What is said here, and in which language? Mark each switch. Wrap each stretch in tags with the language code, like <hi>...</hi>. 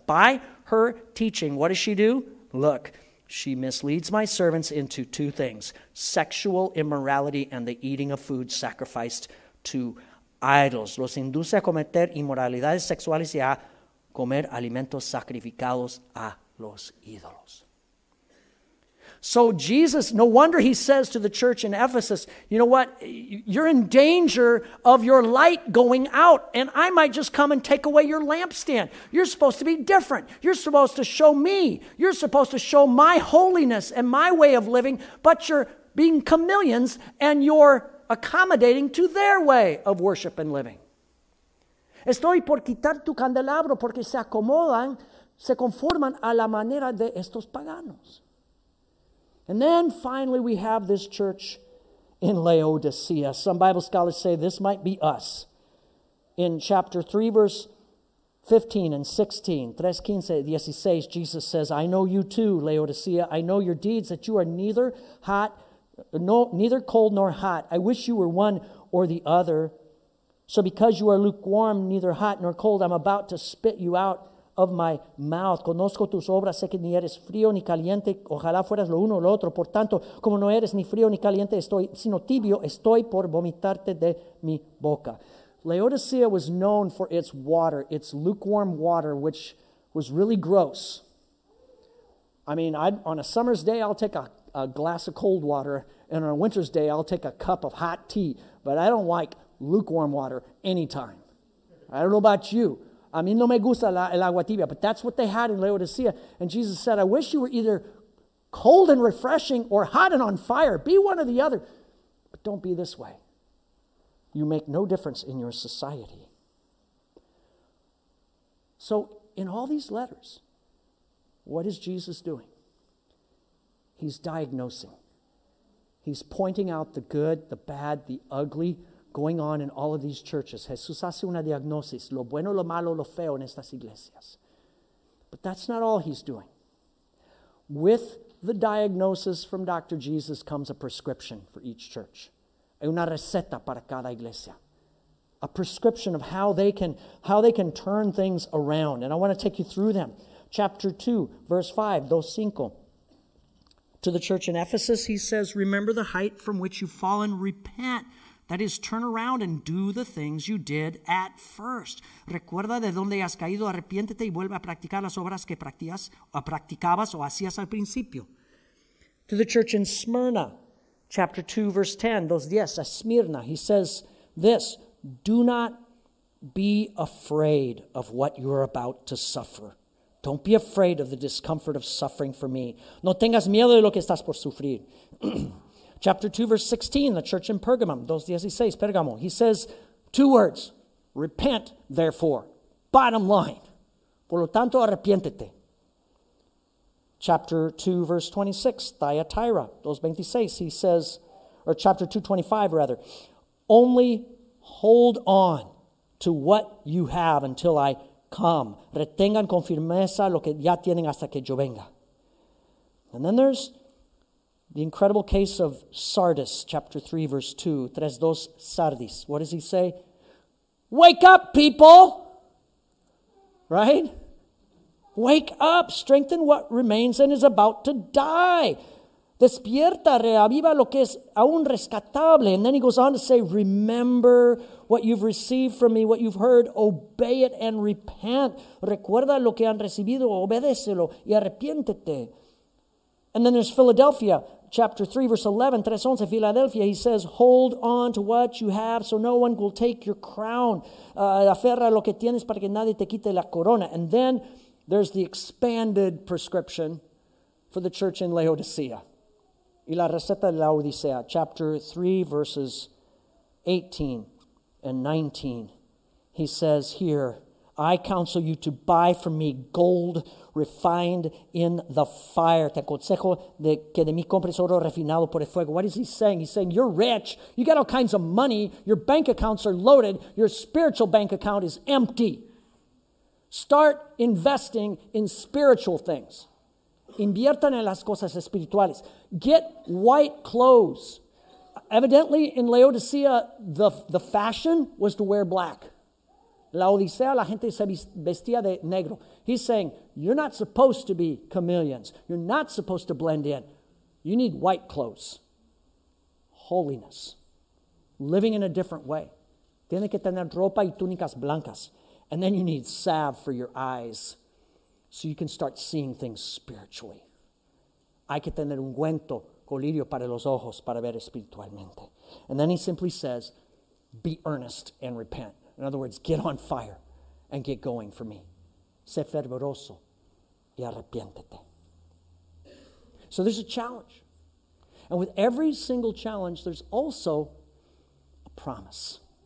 <en>By her teaching, what does she do? Look, she misleads my servants into two things, sexual immorality and the eating of food sacrificed to idols.</en> <es>Los induce a cometer inmoralidades sexuales y a comer alimentos sacrificados a los ídolos.</es> <en>So Jesus, no wonder he says to the church in Ephesus, you know what, you're in danger of your light going out, and I might just come and take away your lampstand. You're supposed to be different. You're supposed to show me. You're supposed to show my holiness and my way of living, but you're being chameleons, and you're accommodating to their way of worship and living.</en> <es>Estoy por quitar tu candelabro porque se acomodan, se conforman a la manera de estos paganos.</es> <en>And then finally we have this church in Laodicea. Some Bible scholars say this might be us. In chapter 3, verse 15 and 16, 3:15-16, Jesus says, I know you too, Laodicea. I know your deeds, that you are neither hot, neither cold nor hot. I wish you were one or the other. So because you are lukewarm, neither hot nor cold, I'm about to spit you out of my mouth.</en> <es>Conozco tus obras, sé que ni eres frío ni caliente, ojalá fueras lo uno o lo otro. Por tanto, como no eres ni frío ni caliente, estoy, sino tibio, estoy por vomitarte de mi boca.</es> <en>Laodicea was known for its water, its lukewarm water, which was really gross. I mean, on a summer's day, I'll take a glass of cold water, and on a winter's day, I'll take a cup of hot tea, but I don't like lukewarm water anytime. I don't know about you.</en> <es>A mí no me gusta el agua tibia,</es> <en>but that's what they had in Laodicea. And Jesus said, I wish you were either cold and refreshing or hot and on fire. Be one or the other, but don't be this way. You make no difference in your society. So in all these letters, what is Jesus doing? He's diagnosing. He's pointing out the good, the bad, the ugly going on in all of these churches.</en> <es>Jesús hace una diagnosis, lo bueno, lo malo, lo feo en estas iglesias.</es> <en>But that's not all he's doing. With the diagnosis from Dr. Jesus comes a prescription for each church.</en> <es>Hay una receta para cada iglesia.</es> <en>A prescription of how they can turn things around. And I want to take you through them. Chapter 2, verse 5, 2:5. To the church in Ephesus, he says, remember the height from which you've fallen, repent. That is, turn around and do the things you did at first.</en> <es>Recuerda de dónde has caído, arrepiéntete y vuelve a practicar las obras que practicabas o hacías al principio.</es> <en>To the church in Smyrna, chapter 2, verse 10, 2:10, a Smyrna, he says this, do not be afraid of what you are about to suffer. Don't be afraid of the discomfort of suffering for me.</en> <es>No tengas miedo de lo que estás por sufrir.</es> <en>Chapter 2, verse 16, the church in Pergamum, 2:16, Pergamo. He says two words, repent, therefore. Bottom line.</en> <es>Por lo tanto, arrepiéntete.</es> <en>Chapter 2, verse 26, Thyatira, 2:26, he says, or chapter 2, 25, rather, only hold on to what you have until I come.</en> <es>Retengan con firmeza lo que ya tienen hasta que yo venga.</es> <en>And then there's The incredible case of Sardis, chapter 3, verse 2.</en> <es>Tres dos</es> <en>Sardis. What does he say? Wake up, people! Right? Wake up! Strengthen what remains and is about to die.</en> <es>Despierta, reaviva lo que es aún rescatable.</es> <en>And then he goes on to say, remember what you've received from me, what you've heard, obey it and repent.</en> <es>Recuerda lo que han recibido, obedécelo y arrepiéntete.</es> <en>And then there's Philadelphia, chapter 3, verse 11, 3:11, Philadelphia. He says, hold on to what you have so no one will take your crown.</en> <es>Aferra lo que tienes para que nadie te quite la corona.</es> <en>And then there's the expanded prescription for the church in Laodicea.</en> <es>Y la receta de la Odisea,</es> <en>chapter 3, verses 18 and 19. He says here, I counsel you to buy from me gold refined in the fire.</en> <es>Te aconsejo de que de mí compres oro refinado por el fuego.</es> <en>What is he saying? He's saying, you're rich. You got all kinds of money. Your bank accounts are loaded. Your spiritual bank account is empty. Start investing in spiritual things.</en> <es>Inviertan en las cosas espirituales.</es> <en>Get white clothes. Evidently, in Laodicea, the fashion was to wear black.</en> <es>La Odisea, la gente se vestía de negro.</es> <en>He's saying, you're not supposed to be chameleons. You're not supposed to blend in. You need white clothes. Holiness. Living in a different way.</en> <es>Tiene que tener ropa y túnicas blancas.</es> <en>And then you need salve for your eyes so you can start seeing things spiritually.</en> <es>Hay que tener ungüento, colirio para los ojos, para ver espiritualmente.</es> <en>And then he simply says, be earnest and repent. In other words, get on fire and get going for me.</en> <es>Sé fervoroso y arrepiéntete.</es> <en>So there's a challenge. And with every single challenge, there's also a promise.</en>